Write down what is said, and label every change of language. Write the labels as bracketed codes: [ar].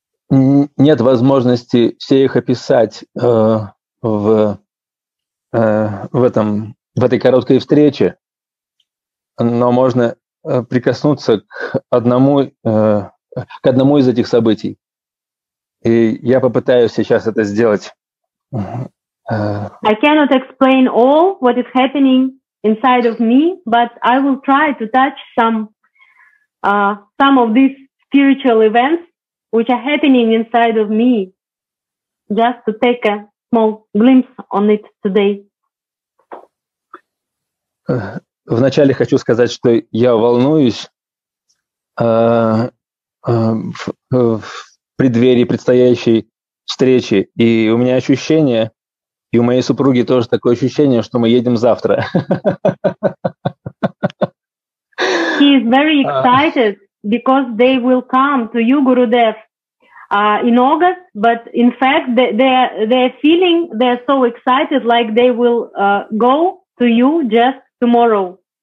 [ru] Нет возможности все их описать в этой короткой встрече, но можно прикоснуться к одному из этих событий. И я попытаюсь сейчас это сделать. [en] I cannot explain all what is happening inside of me, but I will try to touch some of these spiritual events which are happening inside of me, just to take a small glimpse on it today. [ru] Вначале хочу сказать, что я волнуюсь в преддверии предстоящей встречи, и у меня ощущение, и у моей супруги тоже такое ощущение, что мы едем завтра. [en] He is very excited because they will come to you, Gurudev, in August, but in fact they're feeling, they're so excited, like they will go to you just tomorrow.